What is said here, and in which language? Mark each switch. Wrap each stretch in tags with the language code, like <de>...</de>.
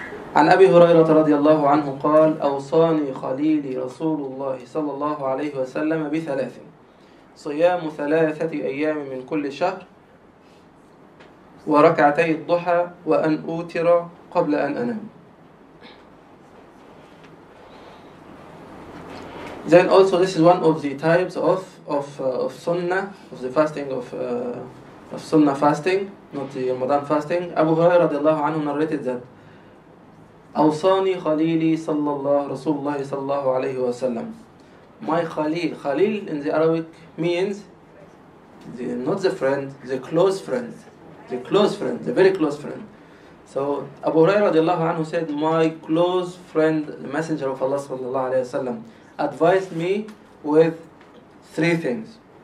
<ar>عن أبي هريرة رضي الله عنه قال أوصاني خليلي رسول الله صلى الله عليه وسلم بثلاث صيام ثلاثة أيام من كل شهر وركعتي الضحى وأن أوتر قبل أن أنام.</ar> <en>Then also this is one of the types of sunnah, of the fasting of sunnah fasting, not the Ramadan fasting. Abu Hurairah radiallahu anhu narrated that</en> <ar>أوصاني خليلي صلى الله رسول الله صلى الله عليه وسلم.</ar> <en>My Khalil, Khalil in the Arabic means the, not the friend, the close friend. The close friend, the very close friend. So Abu Huraira radiallahu anhu said, my close friend, the Messenger of Allah sallallahu alayhi wa sallam, advised me with three things.</en>